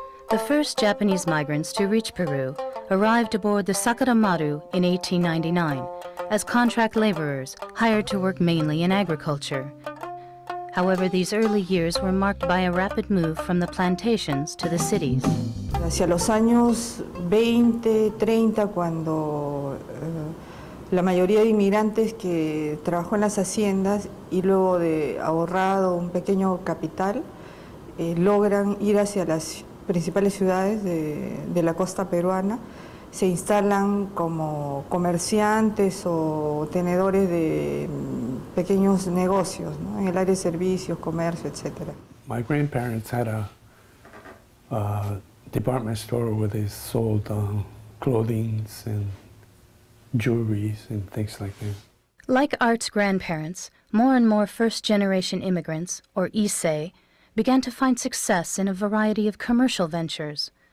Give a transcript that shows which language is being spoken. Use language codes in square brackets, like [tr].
[en] The first Japanese migrants to reach Peru arrived aboard the Sakatamaru in 1899 as contract laborers hired to work mainly in agriculture. However, these early years were marked by a rapid move from the plantations to the cities. [es] Hacia los años 20, 30, cuando la mayoría de inmigrantes que trabajó en las haciendas y luego de ahorrado un pequeño capital logran ir hacia las principales ciudades de la costa peruana, se instalan como comerciantes o tenedores de pequeños negocios, ¿no? En el área de servicios, comercio, etc. [en] My grandparents had a department store where they sold clothing and jewelry and things like that. Like Art's grandparents, more and more first-generation immigrants, or Issei, began to find success in a variety of commercial ventures.